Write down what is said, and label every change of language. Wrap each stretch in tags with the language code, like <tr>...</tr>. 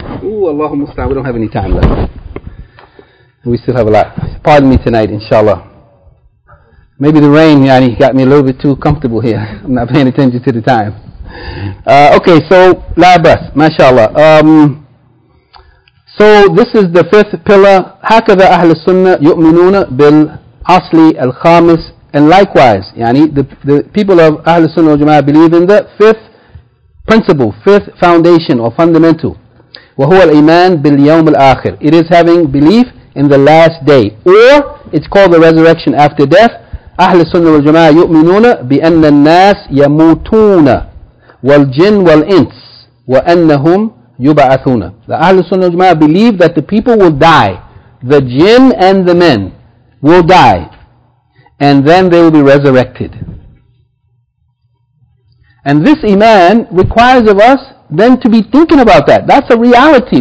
<en>Ooh, Allahumma sallam, we don't have any time left. We still have a lot. Pardon me tonight, inshallah. Maybe the rain, yani, got me a little bit too comfortable here. I'm not paying attention to the time. Okay, so labas, mashallah. So this is the fifth pillar.</en> <ar>هكذا أهل السنة يؤمنون بالعصلي الخامس.</ar> <en>And likewise, yani, the people of أهل السنة والجماعة believe in the fifth principle, fifth foundation or fundamental.</en> <ar>وهو الإيمان باليوم الآخر.</ar> <en>It is having belief in the last day, or it's called the resurrection after death.</en> <ar>أهل السنة والجماعة يؤمنون بأن الناس يموتون والجن والإنس وأنهم يبعثون.</ar> <en>The Ahl al-Sunnah al-Jama'ah believe that the people will die. The jinn and the men will die. And then they will be resurrected. And this iman requires of us then to be thinking about that. That's a reality.</en>